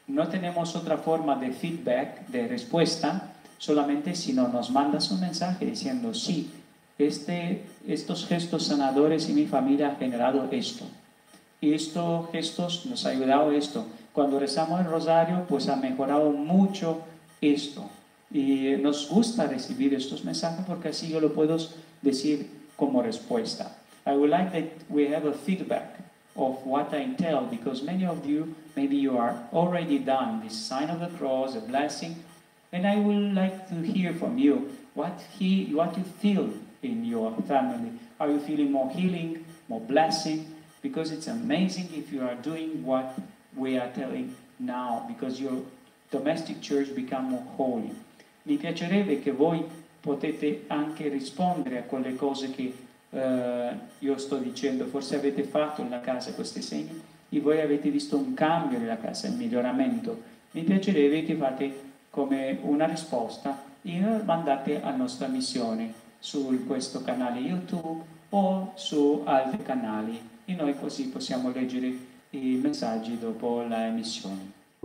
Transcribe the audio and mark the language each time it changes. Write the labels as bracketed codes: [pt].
[es] tenemos otra forma de feedback, de respuesta, solamente si no nos mandas un mensaje diciendo, sí, estos gestos sanadores en mi familia han generado esto, y estos gestos nos han ayudado esto. Cuando rezamos el rosario, pues ha mejorado mucho esto, y nos gusta recibir estos mensajes porque así yo lo puedo decir como respuesta. [en] I would like that we have a feedback of what I tell, because many of you, maybe you are already done this sign of the cross, a blessing, and I would like to hear from you what you feel in your family. Are you feeling more healing, more blessing? Because it's amazing if you are doing what we are telling now, because your domestic church become more holy. [it] Mi piacerebbe che voi potete anche rispondere a quelle cose che io sto dicendo. Forse avete fatto nella casa questi segni e voi avete visto un cambio nella casa, un miglioramento. Mi piacerebbe che fate come una risposta e mandate a nostra missione su questo canale YouTube o su altri canali, e noi così possiamo leggere i messaggi dopo la missione.